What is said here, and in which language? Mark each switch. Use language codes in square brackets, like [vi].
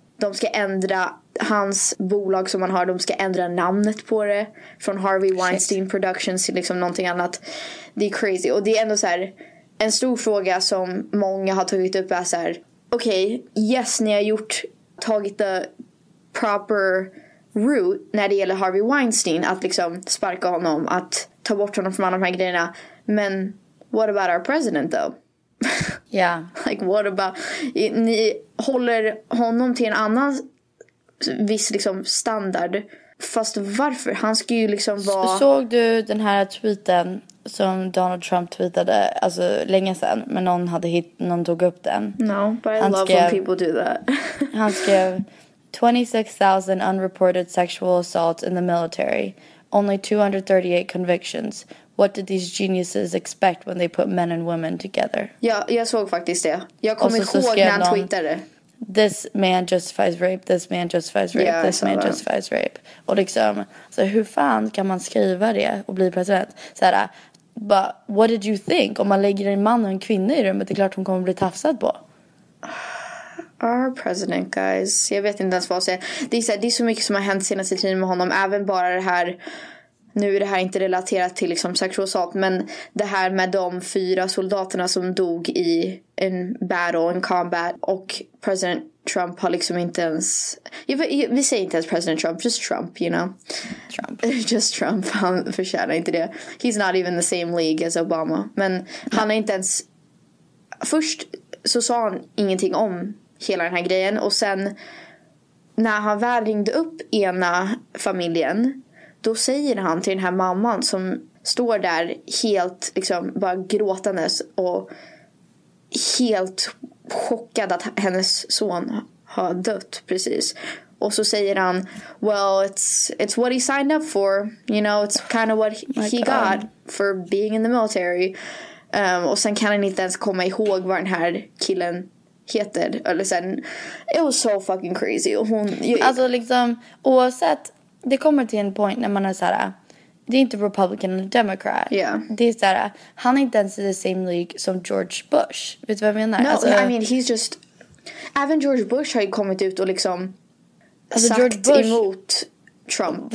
[sv] De ska ändra hans bolag som han har, de ska ändra namnet på det från Harvey Weinstein Productions till liksom någonting annat. Det är crazy. Och det är ändå så här en stor fråga som många har tagit upp är så här, okej, [en] okay, yes, [sv] ni har tagit [en] the proper route [sv] när det gäller Harvey Weinstein, att liksom sparka honom, att ta bort honom från alla de här grejerna. Men [en] what about our president though? Yeah. Like what about, [sv] ni håller honom till en annan viss liksom standard. Fast varför? Han ska ju liksom vara. Såg du den här tweeten som Donald Trump tweetade, alltså länge sedan, men någon hade någon tog upp den. [en] No, but I love when people do that. [sv] Han skrev [en] 26,000 unreported sexual assaults in the military. Only 238 convictions. What did these geniuses expect when they put men and women together? [sv] Ja, jag såg faktiskt det. Jag kommer ihåg när han tweetade. [en] This man justifies rape, this man justifies rape, yeah, this man justifies rape. [sv] Och liksom, så hur fan kan man skriva det och bli president? Såhär, [en] but what did you think? [sv] Om man lägger en man och en kvinna i rummet, det är klart hon kommer bli tafsad på. [en] Our president, guys. [sv] Jag vet inte ens vad att säga. Det är så mycket som har hänt senaste tiden med honom, även bara det här. Nu är det här inte relaterat till liksom [en] sexual assault, [sv] men det här med de fyra soldaterna som dog i en battle, en combat. Och president Trump har liksom inte ens, vi säger inte ens president Trump, [en] just Trump, you know. [sv] Trump. Just Trump, han förtjänar inte det. [en] He's not even the same league as Obama. [sv] Men han är inte ens, först så sa han ingenting om hela den här grejen. Och sen när han väl ringde upp ena familjen, då säger han till den här mamman som står där helt liksom bara gråtandes och helt chockad att hennes son har dött precis. Och så säger han, [en] well, it's what he signed up for. You know, it's kind of what he got for being in the military. [sv] Och sen kan han inte ens komma ihåg vad den här killen heter. Eller sen, [en] it was so fucking crazy. [sv] Och hon, alltså liksom, oavsett, det kommer till en point när man är såhär, det är inte Republican eller Democrat. [en] Yeah. [sv] Det är såhär, han är inte ens i [en] the same league [sv] som George Bush. Vet du vad jag menar? [en] No, [sv] alltså, [en] I mean, he's just, [sv] även George Bush har ju kommit ut och liksom sagt George Bush emot Trump.